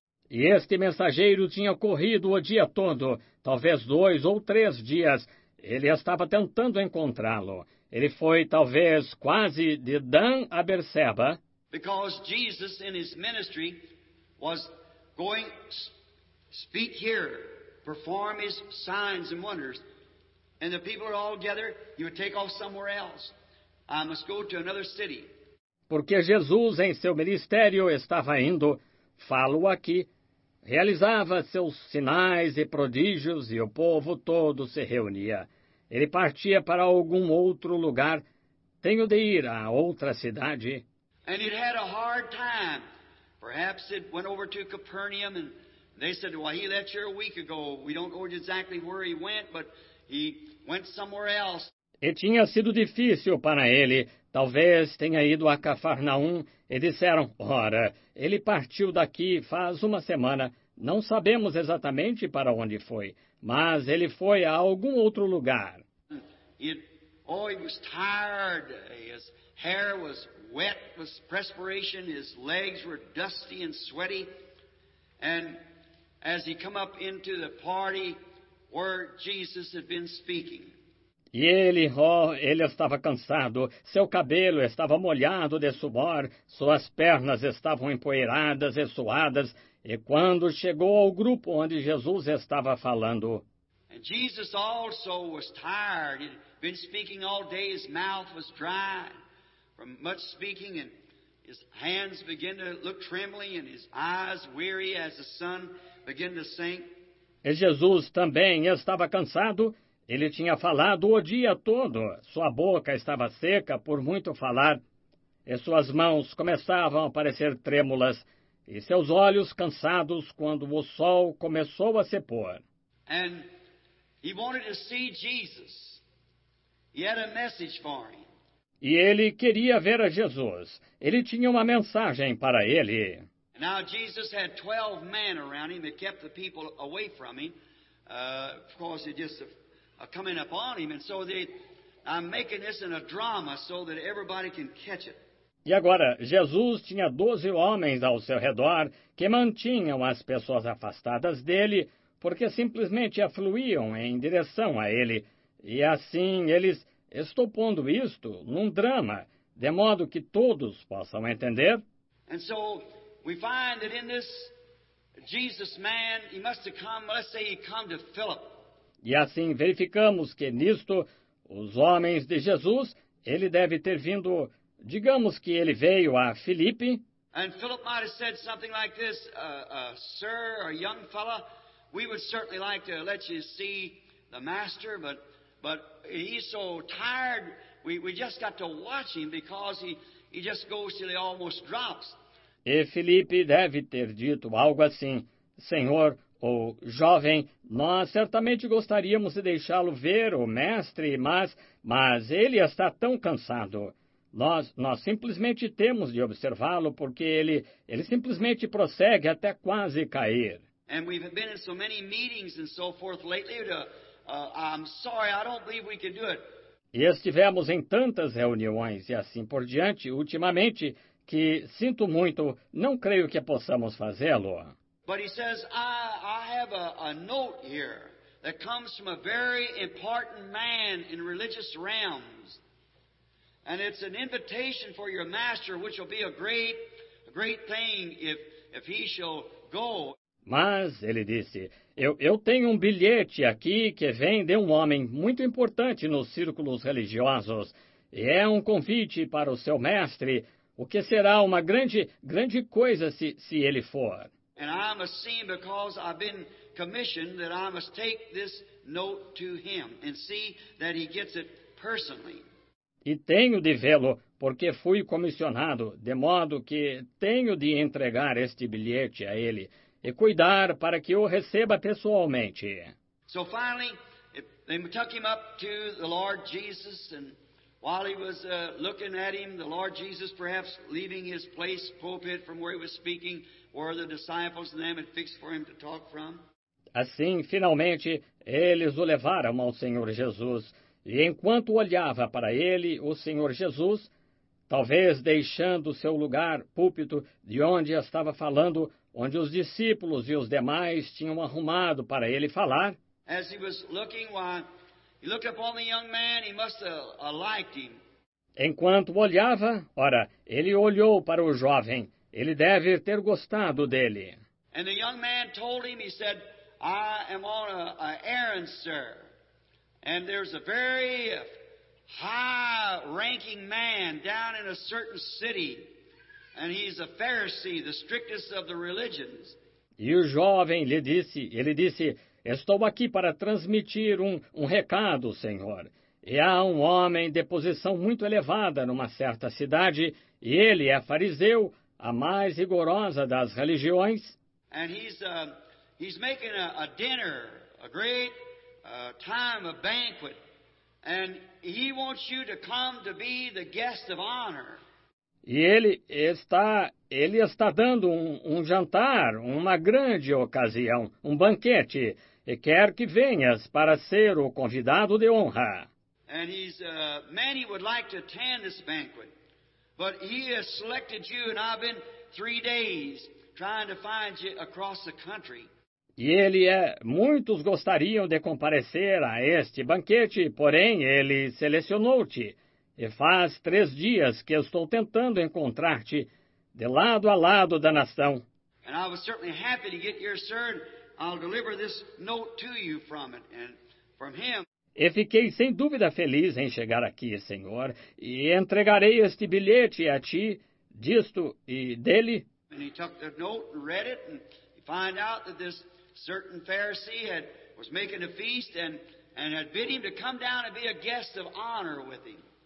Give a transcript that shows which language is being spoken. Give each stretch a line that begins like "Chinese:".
Portuguese: E este mensageiro tinha corrido o dia todo, talvez 2 ou 3 dias. Ele estava tentando encontrá-lo. Ele foi, talvez, quase de Dan a Berseba.
English: Because Jesus in his ministry was going speak here, perform his signs and wonders, and the people are all together, he would take off somewhere else. I must go to another city.
Portuguese: Porque Jesus em seu ministério estava indo, falo aqui, realizava seus sinais e prodígios e o povo todo se reunia. Ele partia para algum outro lugar. Tenho de ir a outra cidade.
English: And he had a hard time. Perhaps it went over to Capernaum and they said, well, he left here a week ago. We don't know exactly where he went, but he went somewhere else.
Portuguese: E tinha sido difícil para ele. Talvez tenha ido a Cafarnaum e disseram, ora, ele partiu daqui faz uma semana. Não sabemos exatamente para onde foi, mas ele foi a algum outro lugar.
English: He was tired. His hair was wet with perspiration. His legs were dusty and sweaty. And as he came up into the party where Jesus had been speaking.
Portuguese: E ele, oh, ele estava cansado, seu cabelo estava molhado de suor, suas pernas estavam empoeiradas e suadas, e quando chegou ao grupo onde Jesus estava falando.
English: And Jesus also was tired. He'd been speaking all day, his mouth was dry from much speaking, and his hands began to look trembling, and his eyes weary as the sun began to sink.
Portuguese: E Jesus também estava cansado. Ele tinha falado o dia todo, sua boca estava seca por muito falar, e suas mãos começavam a parecer trêmulas, e seus olhos cansados quando o sol começou a se pôr.
English: And he wanted to see Jesus. He had a message for him.
Portuguese: E ele queria ver a Jesus. Ele tinha uma mensagem para ele.
English: Now Jesus had 12 men around him that kept the people away from him, because it just coming upon him, and so I'm making this in a drama so that everybody can catch it.
Portuguese: E agora, Jesus tinha 12 homens ao seu redor que mantinham as pessoas afastadas dele, porque simplesmente afluíam em direção a ele. E assim, eles estão pondo isto num drama, de modo que todos possam entender.
English: And so, we find that in this Jesus man, he must have come, let's say he come to Philip.
Portuguese: E assim verificamos que nisto, os homens de Jesus, ele deve ter vindo, digamos que ele veio a Filipe.
English: And Philip might have said something like this, sir, a young fella, we would certainly like to let you see the master, but he's so tired, we just got to watch him because he just goes till he almost drops.
Portuguese: E Filipe deve ter dito algo assim, senhor, ou, jovem, nós certamente gostaríamos de deixá-lo ver o mestre, mas ele está tão cansado. Nós simplesmente temos de observá-lo, porque ele simplesmente prossegue até quase cair.
English: And we've been in so many meetings and so forth lately, I'm sorry, I don't believe we can do it.
Portuguese: E estivemos em tantas reuniões e assim por diante, ultimamente, que sinto muito, não creio que possamos fazê-lo.
English: But he says, I have a note here that comes from a very important man in religious realms. And it's an invitation for your master, which will be a great thing if he shall go.
Portuguese: Mas, ele disse, eu tenho um bilhete aqui que vem de um homem muito importante nos círculos religiosos. E é um convite para o seu mestre, o que será uma grande, grande coisa se ele for.
English: And I must see him because I've been commissioned that I must take this note to him and see that he gets it personally.
Portuguese: E tenho de vê-lo porque fui comissionado, de modo que tenho de entregar este bilhete a ele e cuidar para que o receba pessoalmente.
English: So finally, they took him up to the Lord Jesus, and while he was looking at him, the Lord Jesus perhaps leaving his place, pulpit from where he was speaking, where the disciples and them had fixed for him to talk from.
Portuguese: Assim, finalmente, eles o levaram ao Senhor Jesus. E enquanto olhava para ele, o Senhor Jesus, talvez deixando seu lugar, púlpito, de onde estava falando, onde os discípulos e os demais tinham arrumado para ele falar.
English: As he was looking, why, he looked upon the young man, he must have liked him.
Portuguese: Enquanto olhava, ora, ele olhou para o jovem. Ele deve ter gostado dele.
English: And the young man told him, he said, I am on an errand, sir. And there's a very high-ranking man down in a certain city. And he's a Pharisee, the strictest of the religions.
Portuguese: E o jovem lhe disse, ele disse, estou aqui para transmitir um recado, senhor. E há um homem de posição muito elevada numa certa cidade, e ele é fariseu, a mais rigorosa das religiões.
English: And he's making a dinner, a great time, a banquet. And he wants you to come to be the guest of honor.
Portuguese: E ele está dando um jantar, uma grande ocasião, um banquete, e quer que venhas para ser o convidado de honra.
English: And many would like to attend this banquet, but he has selected you, and I've been 3 days trying to find you across the country.
Portuguese: E ele é, muitos gostariam de comparecer a este banquete, porém ele selecionou-te. E faz 3 dias que eu estou tentando encontrar-te de lado a lado da nação.
English: And I was certainly happy to get here, sir, and I'll deliver this note to you from it and from him.
Portuguese: E fiquei sem dúvida feliz em chegar aqui, senhor, e entregarei este bilhete a ti, disto e dele.
English: And he took the note and read it and found out that this certain Pharisee was making a feast and had bid him to come down and be a guest of honor with him.